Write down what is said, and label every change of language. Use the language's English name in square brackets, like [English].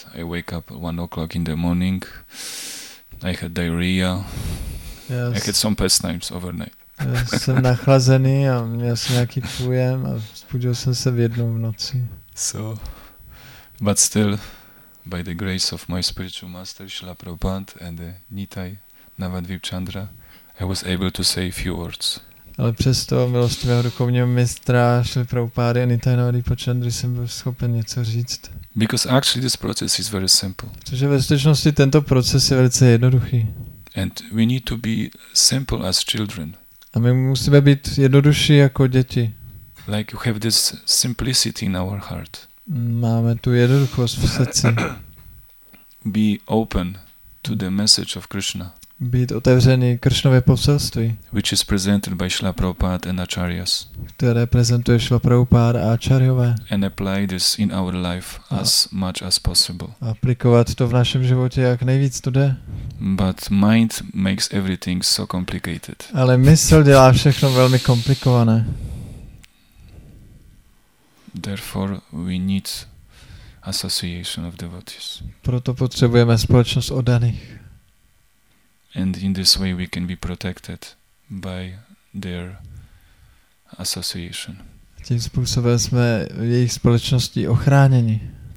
[English] I wake up at 1 o'clock in the morning. I had diarrhea. Yes. I had some pastimes overnight. [Czech] Jsem nachlazený a měl jsem nějaký půjem a vzbudil jsem se v jednu v noci. [English] So, but still, by the grace of my spiritual master Srila Prabhupada and the Nitai Navadvip Chandra, I was able to say a few words. [Czech] Ale přesto milosti mého duchovního mistra Srila Prabhupada a Nitai Navadvip Chandra jsem byl schopen něco říct. [English] Because actually this process is very simple. [Czech] Protože ve skutečnosti tento proces je velice jednoduchý. [English] And we need to be simple as children. [Czech] A my musíme být jednodušší jako děti. [English] Like you have this simplicity in our heart. [Czech] Máme tu jednoduchost v srdci. [English] Be open to the message of Krishna. [Czech] Být otevřený Krishnově poselství. [English] Which is presented by Srila Prabhupada and Acharyas. [Czech] Které prezentuje Srila Prabhupada a Acharyové. [English] And apply this in our life as much as possible. [Czech] Aplikovat to v našem životě jak nejvíc to jde. [English] But mind makes everything so complicated. [Czech] Ale mysl dělá všechno velmi komplikované. [English] Therefore we need association of devotees. [Czech] Proto potřebujeme společnost oddaných. [English] And in this way we can be protected by their association. [Czech] Tím způsobem jsme v jejich společnosti ochráněni.